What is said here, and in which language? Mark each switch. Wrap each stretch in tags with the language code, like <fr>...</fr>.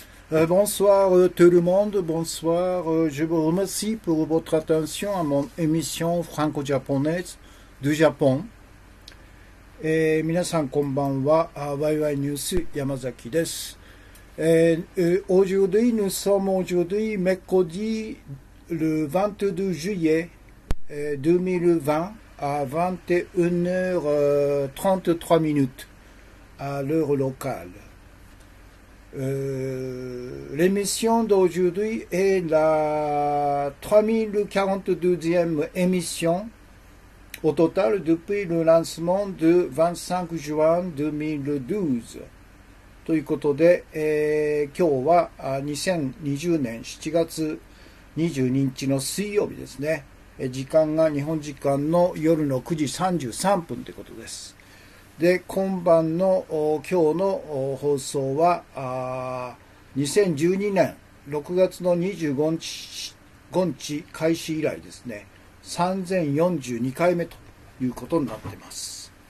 <fr>Bonsoir tout le monde, bonsoir. Je vous remercie pour votre attention à mon émission franco-japonaise du Japon.</fr> <ja>Et 皆さんこんばんは。YY ニュース山崎です。</ja> <fr>Aujourd'hui, nous sommes aujourd'hui mercredi le 22 juillet 2020 à 21h33 minutes à l'heure locale. L'émission d'aujourd'hui est la 3042e émission au total depuis le lancement du 25 juin 2012.</fr> <ja>ということで、今日は2020年7月22日の水曜日ですね。時間が日本時間の夜の9時33分ということです。で、今晩の今日の放送は2012年6月の25日開始以来ですね、3042回目ということになってます。</ja>